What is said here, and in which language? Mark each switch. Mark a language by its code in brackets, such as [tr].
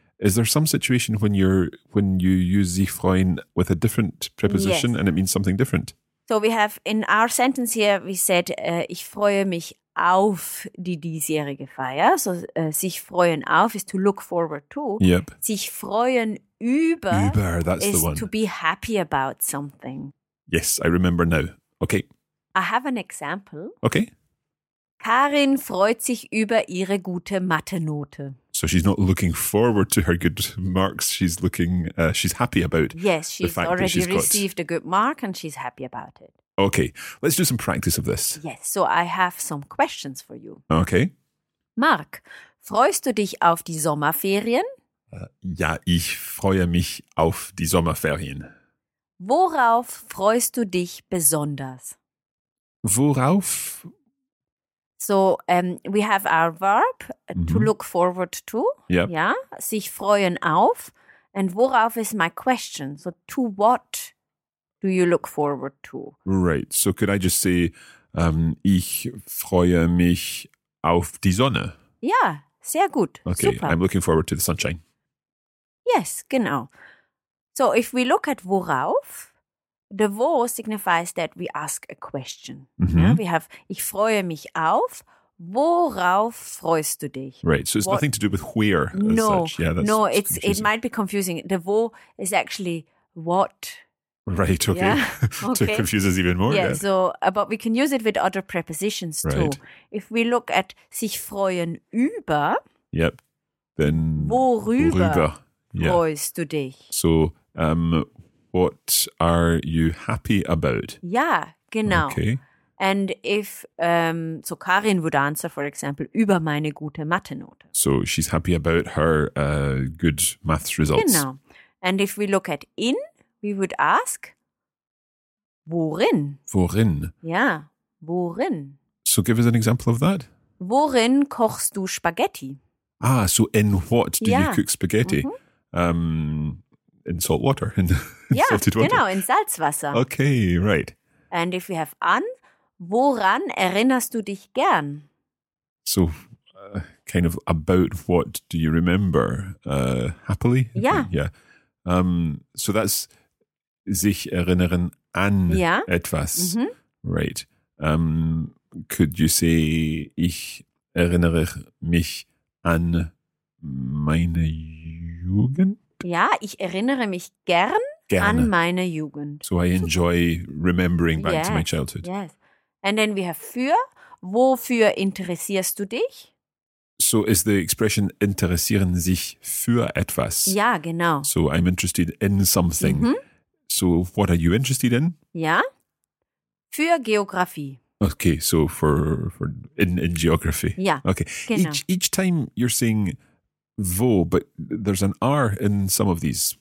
[en] Is there some situation when you use sie freuen with a different preposition and it means something different? So we have in our sentence here, we said, [de] ich freue mich auf die diesjährige Feier. [en] So sich freuen auf is to look forward to. Yep. [de] Sich freuen über, [en] that's is the one. To be happy about something. Yes, I remember now. Okay. I have an example. Okay. [de] Karin freut sich über ihre gute Mathe-Note. [en] So she's not looking forward to her good marks. She's looking, she's happy about Yes, she's already received a good mark and she's happy about it. Okay, let's do some practice of this. Yes, so I have some questions for you. Okay. [de] Mark, freust du dich auf die Sommerferien? Ja, ich freue mich auf die Sommerferien. Worauf freust du dich besonders? Worauf? [en] So, we have our verb, to look forward to. Yep. [de] Ja, sich freuen auf. [en] And worauf is my question? So, to what do you look forward to? Right. So, could I just say, [de] ich freue mich auf die Sonne? Ja, sehr gut. [en] Okay, super. I'm looking forward to the sunshine. Yes, genau. So, if we look at worauf, the wo signifies that we ask a question. Mm-hmm. Yeah, we have, [de] ich freue mich auf, worauf freust du dich? [en] Right, so it's nothing to do with where as no, such. Yeah, that's, no, that's it's confusing. It might be confusing. The wo is actually what. Right, okay. Yeah? To okay. confuse us even more. Yeah, yeah. So, but we can use it with other prepositions right. too. If we look at sich freuen über. Yep, then [de] worüber freust [en] yeah. [de] du dich? [en] So, what are you happy about? [de] Ja, genau. [en] Okay. And if, so Karin would answer, for example, [de] über meine gute Mathe-Note. [en] So she's happy about her good maths results. [de] Genau. [en] And if we look at in, we would ask, worin? [de] Worin? Ja, worin? [en] So give us an example of that. [de] Worin kochst du Spaghetti? [en] Ah, so in what do [de] ja. [en] You cook spaghetti? Mm-hmm. In salt water, in ja, salted water. [de] Genau, in Salzwasser. [en] Okay, right. And if we have an, [de] woran erinnerst du dich gern? [en] So, kind of about what do you remember? Happily? [de] Ja. [en] Yeah. So that's sich erinnern an [de] ja. Etwas. [en] Mm-hmm. Right. Could you say, [de] ich erinnere mich an meine Jugend? Ja, ich erinnere mich gern an meine Jugend. [en] So I enjoy remembering back yes, to my childhood. Yes. And then we have für. [de] Wofür interessierst du dich? [en] So is the expression interessieren sich für etwas. [de] Ja, genau. [en] So I'm interested in something. Mm-hmm. So what are you interested in? [de] Ja. Für Geografie. [en] Okay, so for in geography. [de] Ja. [en] Okay. [de] Genau. [en] Each time you're saying wo, but there's an R in some of these.